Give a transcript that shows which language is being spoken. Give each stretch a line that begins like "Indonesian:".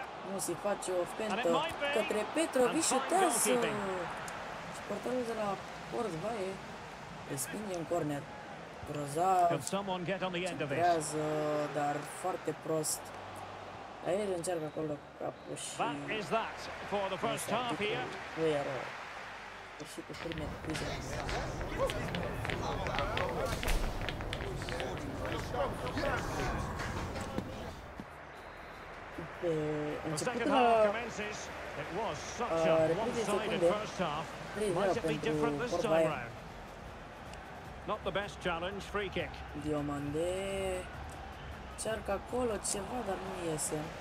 Romanian: Musi face o fentă către Petrovic și șutează. Și portarul de la Portbaie respinge în corner. Grozav. Centrează, dar foarte prost. Aer încearcă acolo capul și...
English: That is that for the first half here.
Romanian: Nu iară. Și cu primele cuze.
English: The second half commences. It was such a one-sided first half. Might it be different this time round? Not the best challenge, free kick.
Romanian: Diomande cearcă acolo ceva, dar nu iese.